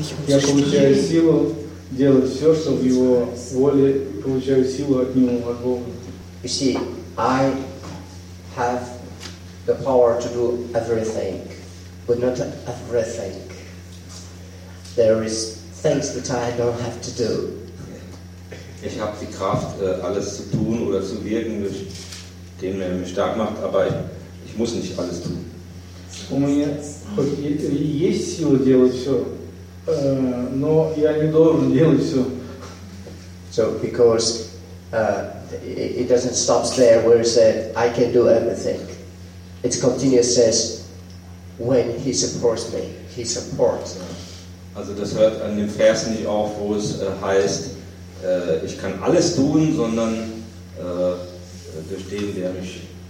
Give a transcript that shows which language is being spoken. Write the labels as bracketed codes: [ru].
[ru] Я получаю силу делать все, что в его воле, получаю силу от него, от Бога. [en] You see, I have the power to do everything, but not everything. There is things that I don't have to do. [de] Ich habe die Kraft, alles zu tun oder zu wirken, durch den, der mich stark macht, aber ich muss nicht alles tun. [ru] У меня есть сила делать все, но я не должен делать все. [en] So because it doesn't stop there where it says I can do everything. It continues says when he supports me, he supports me. [de] Also das hört an dem Vers nicht auf, wo es heißt, ich kann alles tun, sondern durch den, der mich